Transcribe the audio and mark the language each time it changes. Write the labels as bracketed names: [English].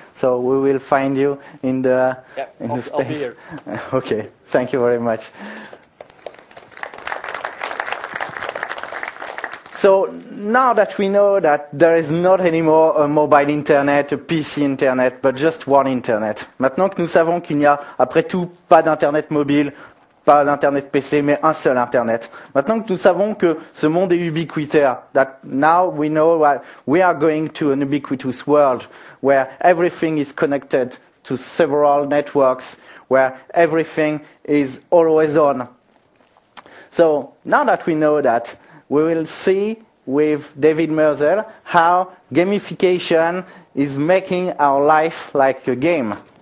[English] So we will find you in the, in the space. I'll be here. Okay, thank you very much. So now that we know that there is not anymore a mobile internet, a PC internet, but just one internet. [French] Maintenant que nous savons qu'il n'y a après tout pas d'internet mobile, pas l'internet PC, mais un seul internet. Maintenant que nous savons que ce monde est ubiquitaire, [English] that now we know that we are going to an ubiquitous world where everything is connected to several networks, where everything is always on. So now that we know that, we will see with David Merzel how gamification is making our life like a game.